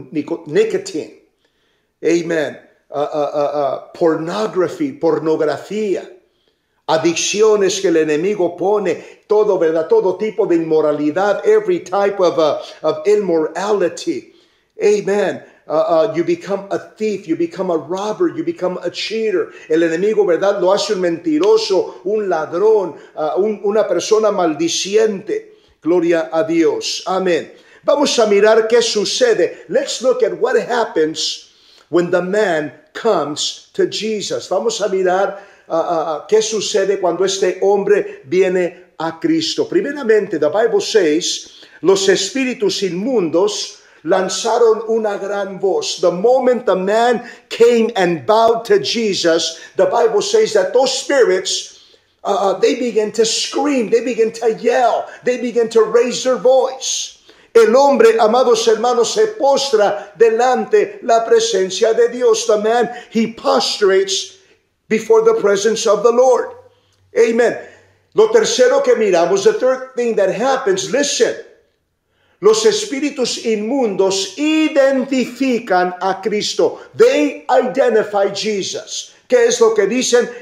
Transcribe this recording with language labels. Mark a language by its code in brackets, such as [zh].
[en] Nicotine. Amen. Pornography. [es] Pornografía. Adicciones que el enemigo pone. Todo, ¿verdad? Todo tipo de inmoralidad. [en] Every type of immorality. Amen. You become a thief, you become a robber, you become a cheater. [es] El enemigo, ¿verdad?, lo hace un mentiroso, un ladrón, una persona maldiciente. Gloria a Dios. Amén. Vamos a mirar qué sucede. [en] Let's look at what happens when the man comes to Jesus. [es] Vamos a mirar qué sucede cuando este hombre viene a Cristo. Primeramente, [en] the Bible says, [es] los espíritus inmundos lanzaron una gran voz. [en] The moment the man came and bowed to Jesus, the Bible says that those spirits, they began to scream, they began to yell, they began to raise their voice. [es] El hombre, amados hermanos, se postra delante la presencia de Dios. [en] The man, he prostrates before the presence of the Lord. Amen. [es] Lo tercero que miramos, [en] the third thing that happens, listen. [es] Los espíritus inmundos identifican a Cristo. [en] They identify Jesus. [es] ¿Qué es lo que dicen?